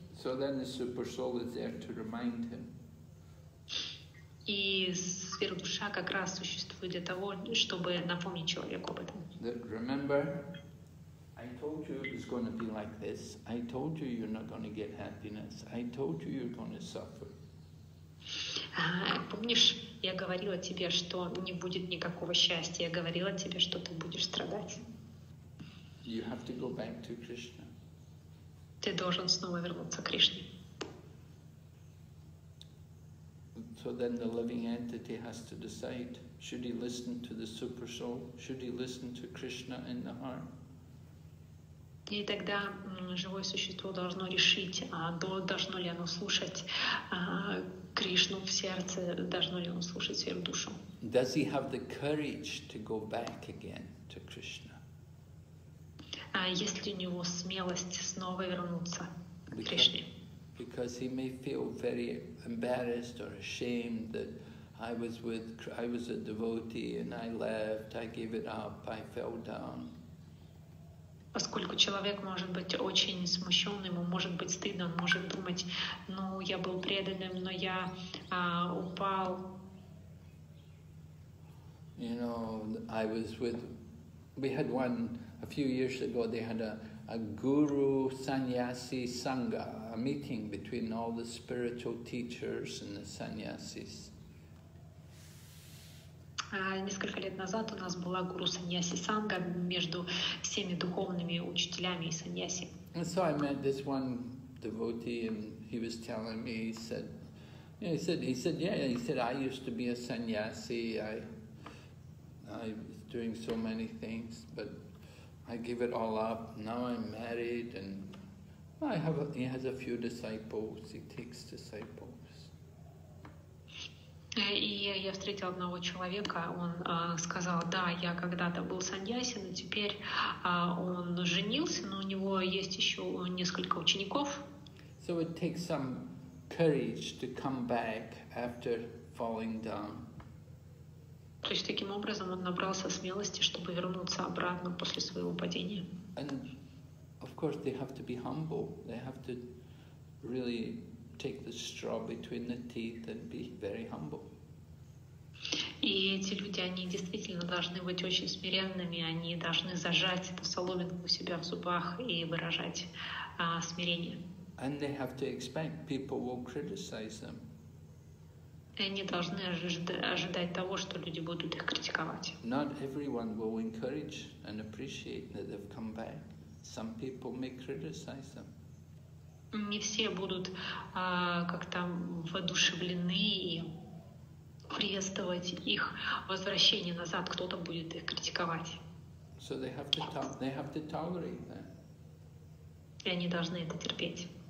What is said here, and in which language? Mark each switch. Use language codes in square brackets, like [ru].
[en] So then the super soul is there to remind him. [ru] И сверхдуша как раз существует для того, чтобы напомнить человеку об этом. [en] Remember, I told you it was going to be like this. I told you you're not going to get happiness. I told you you're going to suffer. [ru] Помнишь, я говорила тебе, что не будет никакого счастья. Я говорила тебе, что ты будешь страдать. [en] You have to go back to Krishna. [ru] Ты должен снова вернуться к Кришне. [en] So then the living entity has to decide, should he listen to the super soul? Should he listen to Krishna in the heart? [ru] И тогда живое существо должно решить, должно ли оно слушать Кришну в сердце, должно ли оно слушать свою душу. [en] Does he have the courage to go back again to Krishna? [ru] А есть ли у него смелость снова вернуться к Кришне? [en] Because he may feel very embarrassed or ashamed that I was a devotee and I left, I gave it up, I fell down. [ru] Поскольку человек может быть очень смущен, ему может быть стыдно, он может думать, ну, я был преданным, но я упал. [en] You know, I was with, we had one, a few years ago, they had a guru sannyasi sangha, a meeting between all the spiritual teachers and the sannyasis. [ru] Несколько лет назад у нас была гуру саньяси санга между всеми духовными учителями и саньяси. [en] And so I met this one devotee, and he was telling me. He said, I used to be a sannyasi. I was doing so many things, but I gave it all up. Now I'm married, and he has a few disciples. He takes disciples. [ru] И я встретил одного человека, он сказал, да, я когда-то был саньяси, но теперь он женился, но у него есть еще несколько учеников. [en] So it takes some courage to come back after falling down. [ru] То есть таким образом он набрался смелости, чтобы вернуться обратно после своего падения. [en] And of course they have to be humble, they have to really take the straw between the teeth and be very humble. [ru] И эти люди, они действительно должны быть очень смиренными, они должны зажать эту соломинку у себя в зубах и выражать смирение. [en] And they have to expect people will criticize them. [ru] И они должны ожидать того, что люди будут их критиковать. [en] Not everyone will encourage and appreciate that they've come back. Some people may criticize them. [ru] Не все будут как-то воодушевлены и приветствовать их возвращение назад. Кто-то будет их критиковать. [en] So they have to tolerate that. [ru] И они должны это терпеть.